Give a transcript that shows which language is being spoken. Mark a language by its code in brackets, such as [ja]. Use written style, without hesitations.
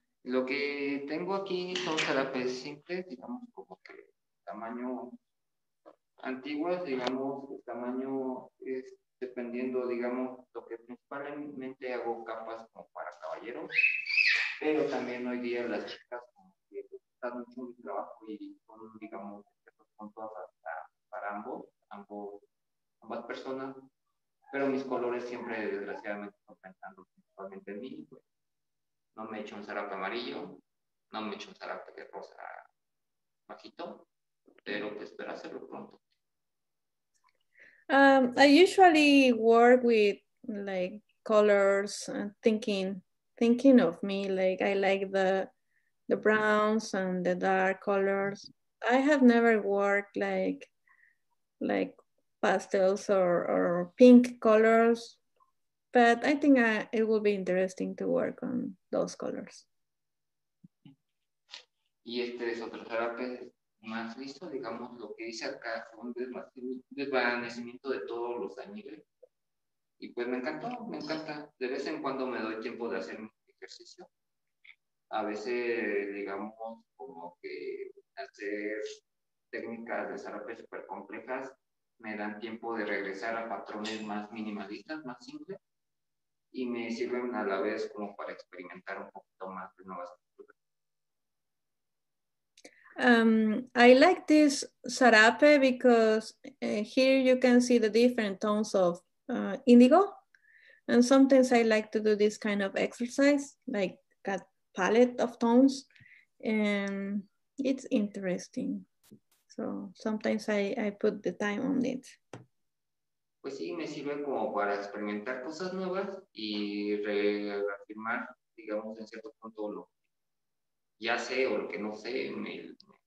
[es] Lo que tengo aquí son zarapes simples, digamos, como que tamaño antiguas, digamos, el tamaño es dependiendo, digamos, lo que principalmente hago capas como para caballeros, pero también hoy día las chicas como que están mucho mi trabajo y son, digamos, son todas hasta para ambas personas, pero mis colores siempre, desgraciadamente, están pensando principalmente en mí, pues. No me he hecho un sarape amarillo, no me he hecho un sarape de rosa bajito, pero pues espero hacerlo pronto. [en] I usually work with like colors and thinking of me, like I like the browns and the dark colors. I have never worked like pastels or pink colors, but I think it will be interesting to work on those colors. [es] Y este es otro sarape. Más listo, digamos, lo que dice acá, un desvanecimiento de todos los añiles. Y pues me encanta. De vez en cuando me doy tiempo de hacer mi ejercicio. A veces, digamos, como que hacer técnicas de zarape súper complejas me dan tiempo de regresar a patrones más minimalistas, más simples. Y me sirven a la vez como para experimentar un poquito más de nuevas. [en] I like this sarape because here you can see the different tones of indigo. And sometimes I like to do this kind of exercise, like a palette of tones. And it's interesting. So sometimes I put the time on it. [es] Pues sí, me sirve como para experimentar cosas nuevas y reafirmar, digamos, en cierto punto lo ya sé o lo que no sé en el.